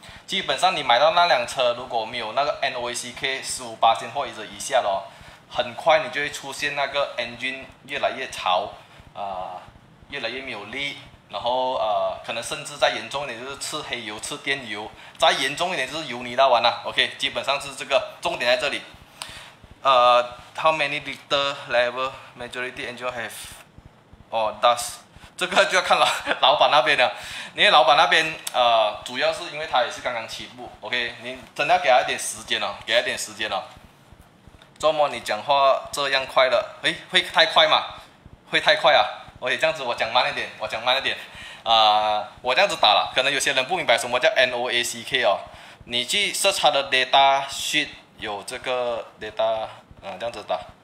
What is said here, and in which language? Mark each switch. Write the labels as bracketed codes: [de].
[zh] 基本上你买到那辆车，如果没有那个 NOACK 15% 或者以下的，很快你就会出现那个 engine 越来越潮，越来越没有力，然后可能甚至再严重一点就是吃黑油、吃电油，再严重一点就是油泥到完了。OK， 基本上是这个重点在这里。 [en] How many liter level majority engine have or does？ [zh] 这个就要看老板那边了，因为老板那边主要是因为他也是刚刚起步 ，OK， 你真的要给他一点时间哦，给他一点时间哦。周末你讲话这样快的，哎，会太快吗？会太快啊 ？OK， 这样子我讲慢一点，我这样子打了，可能有些人不明白什么叫 NOACK 哦，你去 search 他的 data sheet 有这个 data， 这样子打。